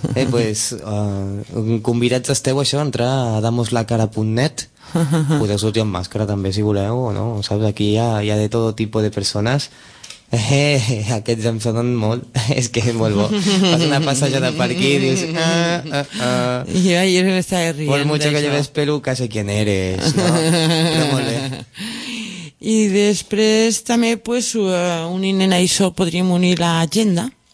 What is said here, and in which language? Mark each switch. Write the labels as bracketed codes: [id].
[ca] pues, convidats esteu a això, a entrar a damoslacara.net. Podeu sortir amb màscara també si voleu o no, saps, aquí hi ha de tot tipus de persones. Aquests em sonen molt, és que és molt bo. Fas una passejada per aquí i dius [es] jo ayer me estaba riendo por mucho que lleves peluca sé quién eres, no? [ca] Però molt bé. I després també pues, unint en això podríem unir l'agenda.